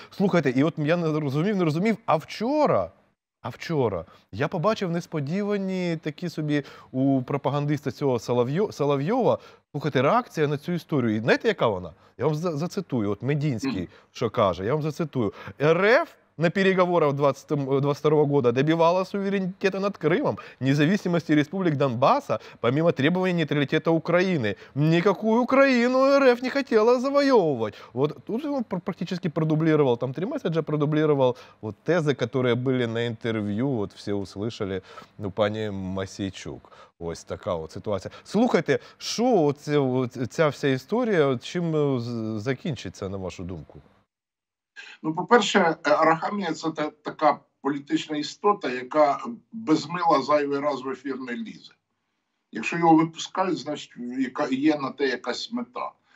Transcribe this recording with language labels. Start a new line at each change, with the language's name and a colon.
Ukrainian: Слухайте, і от я не розумів, а вчора я побачив несподівані такі собі у пропагандиста цього Соловйова. Слухайте, реакція на цю історію. І знаєте, яка вона? Я вам зацитую, от Мединський, що каже, я вам зацитую.
Russian: РФ на переговорах 22-го года добивала суверенитета над Кримом, независимости республик Донбасса, помимо требований нейтралитета Украины. Никакую Украину РФ не хотела завоевывать. Вот тут он практически продублировал, там три месседжа продублировал вот тезы, которые были на интервью, вот все услышали, ну, пані Масейчук.
Ukrainian: Ось така от ситуація. Слухайте, що ця вся історія, чим закінчиться, на вашу думку? Ну, по-перше, Арахамія – це така політична істота, яка безмила зайвий раз в ефір не лізе. Якщо його випускають, значить, є на те якась мета.